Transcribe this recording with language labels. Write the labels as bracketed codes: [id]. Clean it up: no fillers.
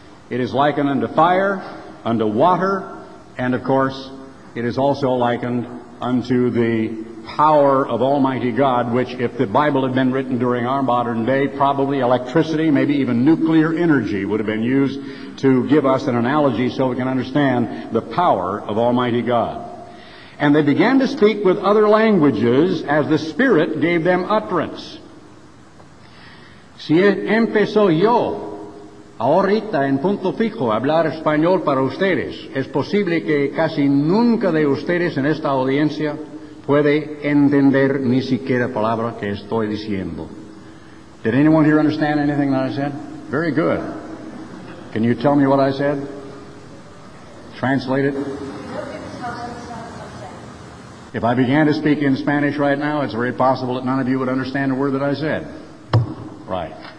[en] It is likened unto fire, unto water, and of course, it is also likened unto the power of Almighty God, which, if the Bible had been written during our modern day, probably electricity, maybe even nuclear energy would have been used to give us an analogy so we can understand the power of Almighty God. And they began to speak with other languages as the Spirit gave them utterance. [es] Si empezó yo ahorita en punto fijo hablar español para ustedes, es posible que casi nunca de ustedes en esta audiencia puede entender ni siquiera palabra que estoy diciendo. [en] Did anyone here understand anything that I said? Very good. Can you tell me what I said? Translate it. If I began to speak in Spanish right now, it's very possible that none of you would understand a word that I said. Right.